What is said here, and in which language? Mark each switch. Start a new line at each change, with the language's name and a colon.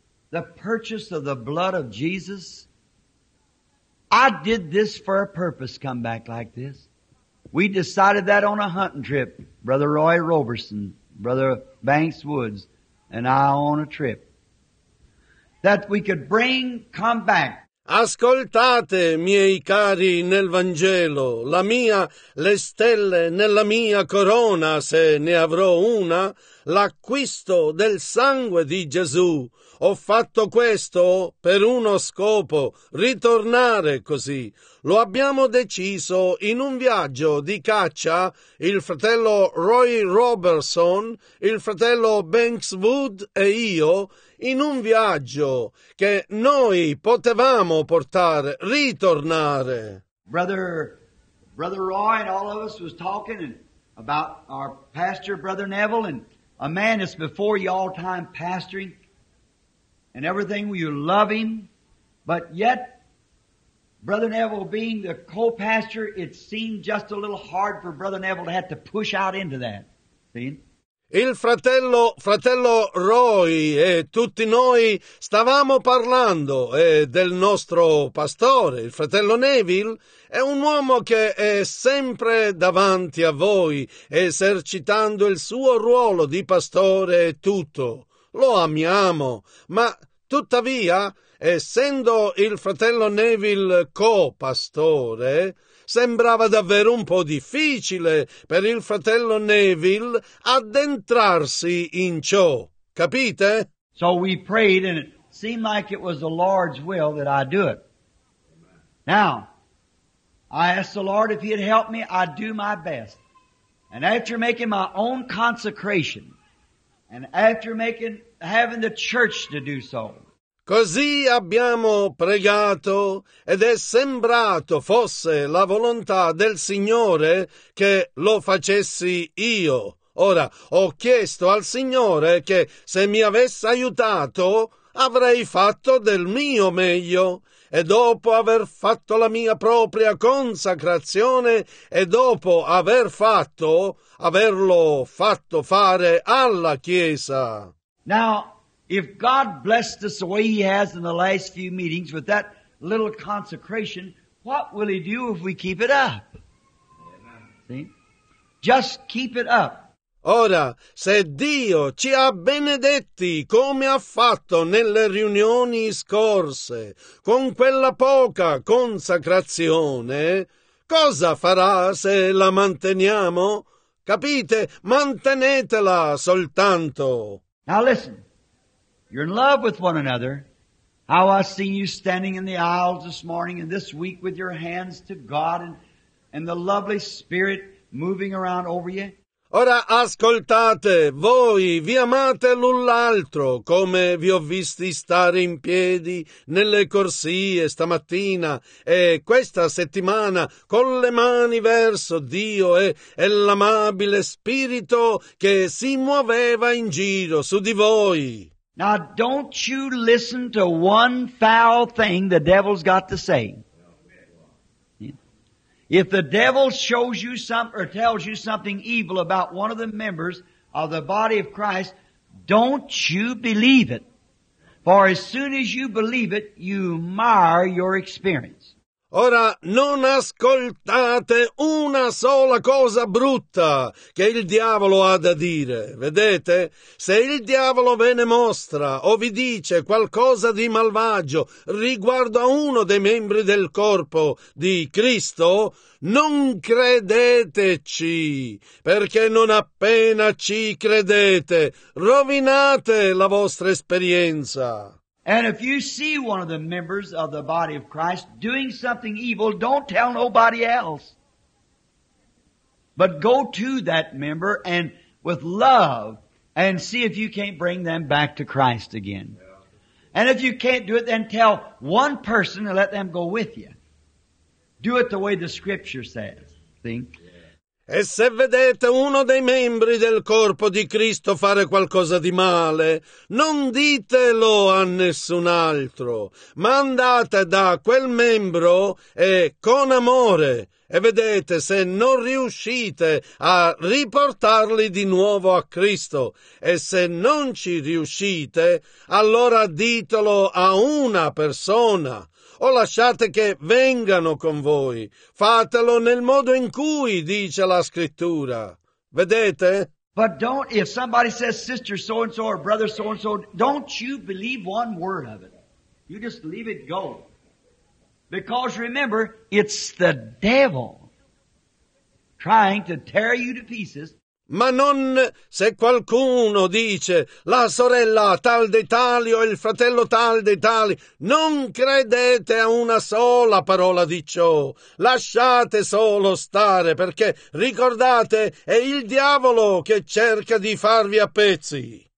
English: The purchase of the blood of Jesus. I did this for a purpose, come back like this. We decided that on a hunting trip, Brother Roy Roberson, Brother Banks Woods, and I on a trip, that we could bring, come back.
Italian: Ascoltate, miei cari, nel Vangelo, la mia, le stelle nella mia corona, se ne avrò una, l'acquisto del sangue di Gesù. Ho fatto questo per uno scopo, ritornare così. Lo abbiamo deciso in un viaggio di caccia, il fratello Roy Robertson, il fratello Banks Wood e io, in un viaggio che noi potevamo portare, ritornare.
English: Brother Roy and all of us was talking about our pastor, Brother Neville, and a man is before you all time pastoring. And everything, you love him, but yet, Brother Neville being the co-pastor, it seemed just a little hard for Brother Neville to have to push out into that. See?
Italian: Il fratello Roy e tutti noi stavamo parlando del nostro pastore, il fratello Neville. È un uomo che è sempre davanti a voi, esercitando il suo ruolo di pastore e tutto. Lo amiamo, ma tuttavia essendo il fratello Neville co-pastore, sembrava davvero un po' difficile per il fratello Neville addentrarsi in ciò. Capite?
English: So we prayed and it seemed like it was the Lord's will that I do it. Now, I asked the Lord if he'd help me, I'd do my best. And after making my own consecration, and after having the church to do so.
Italian: Così abbiamo pregato ed è sembrato fosse la volontà del Signore che lo facessi io. Ora, ho chiesto al Signore che se mi avesse aiutato, avrei fatto del mio meglio. E dopo aver fatto la mia propria consacrazione e dopo averlo fatto fare alla Chiesa.
English: Now, if God blessed us the way he has in the last few meetings with that little consecration, what will he do if we keep it up? See? Just keep it up.
Italian: Ora, se Dio ci ha benedetti come ha fatto nelle riunioni scorse, con quella poca consacrazione, cosa farà se la manteniamo? Capite? Mantenetela soltanto.
English: Now listen, you're in love with one another. How I've seen you standing in the aisles this morning and this week with your hands to God and the lovely Spirit moving around over you.
Italian: Ora ascoltate, voi vi amate l'un l'altro come vi ho visti stare in piedi nelle corsie stamattina e questa settimana con le mani verso Dio e l'amabile spirito che si muoveva in giro su di voi.
English: Now don't you listen to one foul thing the devil's got to say. If the devil shows you something or tells you something evil about one of the members of the body of Christ, don't you believe it. For as soon as you believe it, you mar your experience.
Italian: Ora, non ascoltate una sola cosa brutta che il diavolo ha da dire. Vedete? Se il diavolo ve ne mostra o vi dice qualcosa di malvagio riguardo a uno dei membri del corpo di Cristo, non credeteci, perché non appena ci credete, rovinate la vostra esperienza.
English: And if you see one of the members of the body of Christ doing something evil, don't tell nobody else. But go to that member and with love and see if you can't bring them back to Christ again. And if you can't do it, then tell one person and let them go with you. Do it the way the Scripture says. See?
Italian: E se vedete uno dei membri del corpo di Cristo fare qualcosa di male, non ditelo a nessun altro, ma andate da quel membro e con amore e vedete se non riuscite a riportarli di nuovo a Cristo. E se non ci riuscite, allora ditelo a una persona. O lasciate che vengano con voi. Fatelo nel modo in cui dice la Scrittura. Vedete?
English: But don't, if somebody says sister so-and-so or brother so-and-so, don't you believe one word of it. You just leave it go. Because remember, it's the devil trying to tear you to pieces.
Italian: Ma non se qualcuno dice la sorella tal dei tali o il fratello tal dei tali, non credete a una sola parola di ciò, lasciate solo stare, perché ricordate è il diavolo che cerca di farvi a pezzi.